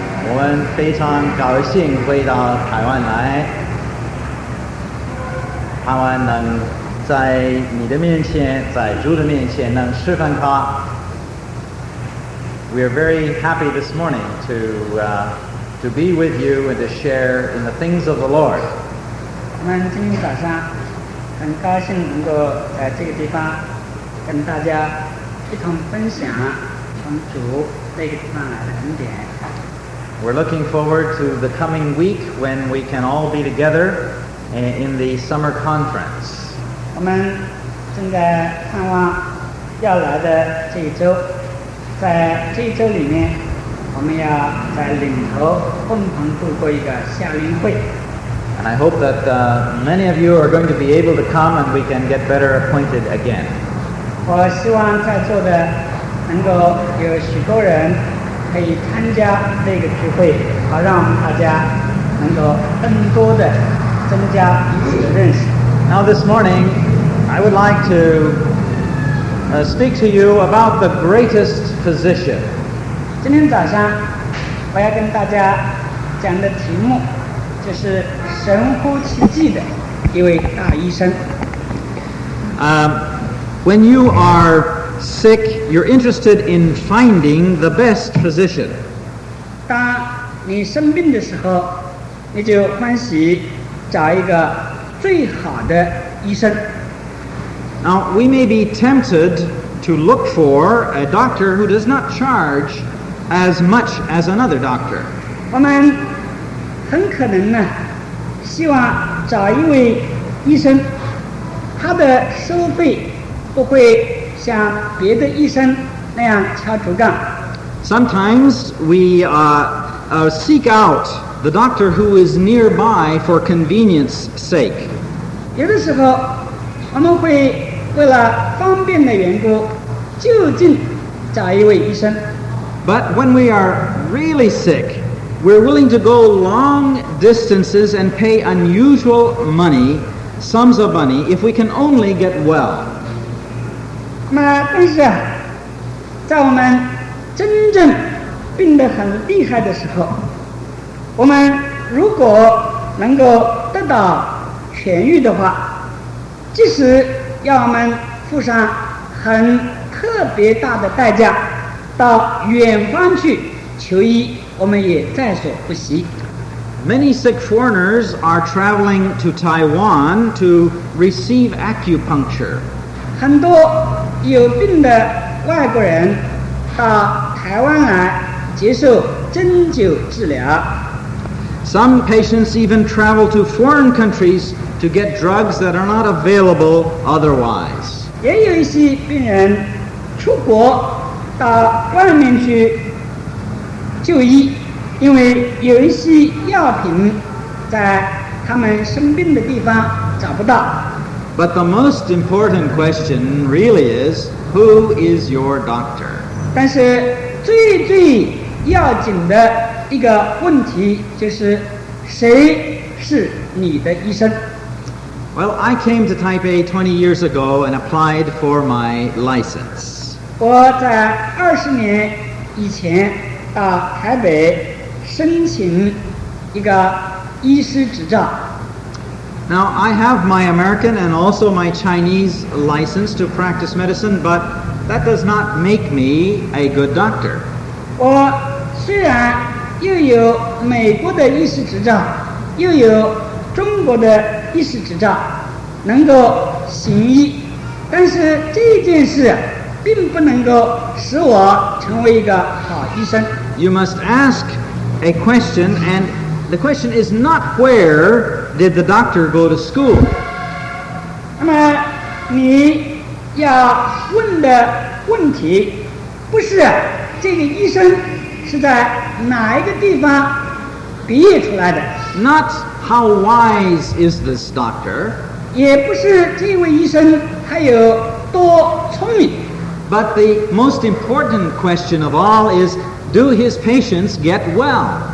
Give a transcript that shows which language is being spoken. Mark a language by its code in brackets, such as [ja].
[zh] 我们非常高兴回到台湾来，盼望能在你的面前，在主的面前能释放他。 [en] We are very happy this morning to be with you and to share in the things of the Lord. [zh] 我们今天早上很高兴能够在这个地方跟大家一同分享从主那个地方来的恩典。 [en] We're looking forward to the coming week when we can all be together in the summer conference. [zh] 我们正在盼望要来的这一周，在这一周里面，我们要在领头共同度过一个夏令会。 [en] And I hope that many of you are going to be able to come and we can get better acquainted again. [zh] 我希望在座的能够有许多人可以参加这个聚会，好让我们大家能够更多的增加彼此的认识。 [en] Now this morning, I would like to speak to you about the greatest physician. [zh] 今天早上我要跟大家讲的题目就是神乎其技的一位大医生。 [en] When you are sick, you're interested in finding the best physician. [zh] 当你生病的时候，你就欢喜找一个最好的医生。 [en] Now, we may be tempted to look for a doctor who does not charge as much as another doctor. [zh] 我们很可能呢，希望找一位医生，他的收费不会像别的医生那样敲竹杠。 [en] Sometimes we seek out the doctor who is nearby for convenience sake. [zh] 有的时候我们会为了方便的缘故就近找一位医生。 [en] But when we are really sick, we're willing to go long distances and pay unusual money, sums of money, if we can only get well. [zh] 那但是在我们真正病得很厉害的时候，我们如果能够得到痊愈的话，即使要我们付上很特别大的代价到远方去求医，我们也在所不惜。 [en] Many sick foreigners are traveling to Taiwan to receive acupuncture. [zh] 很多有病的外国人到台湾来接受针灸治疗。 [en] Some patients even travel to foreign countries to get drugs that are not available otherwise. [zh] 也有一些病人出国到外面去就医，因为有一些药品在他们生病的地方找不到。 [en] But the most important question really is, who is your doctor? [zh] 但是最最要紧的一个问题就是谁是你的医生？ [en] Well, I came to Taipei 20 years ago and applied for my license. [zh] 我在20年以前到台北申请一个医师执照。 [en] Now, I have my American and also my Chinese license to practice medicine, but that does not make me a good doctor. [zh] 我虽然又有美国的医师执照，又有中国的医师执照，能够行医，但是这件事并不能够使我成为一个好医生。 [en] You must ask a question, and the question is not where did the doctor go to school? [zh] 那么你要问的问题不是这个医生是在哪一个地方毕业出来的。 [en] Not how wise is this doctor? [zh] 也不是这位医生他有多聪明。 [en] But the most important question of all is, do his patients get well?